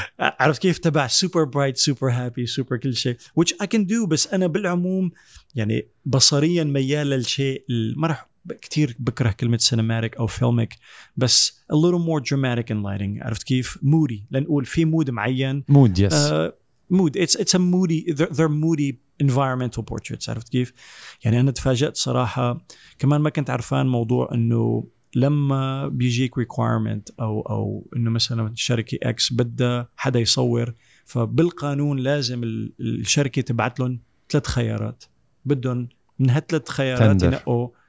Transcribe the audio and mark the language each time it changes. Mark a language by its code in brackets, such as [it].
[ar] عرفت كيف؟ تبع [en] super bright, super happy, super [ar] كل شيء [en] which I can do. [ar] بس أنا بالعموم يعني بصريا ميال للشيء ما رح كتير بكره كلمة cinematic أو filmic بس [en] a little more dramatic in lighting. [ar] عرفت كيف؟ moody لنقول في mood معين [en] mood yes mood it's a moody they're moody environmental portraits. [ar] عرفت كيف يعني؟ انا تفاجأت صراحة كمان ما كنت عارفان موضوع انه لما بيجيك requirement او انه مثلا شركة X بدها حدا يصور فبالقانون لازم الشركة تبعت لهم ثلاث خيارات بدهم من هالثلاث خيارات ينقوا.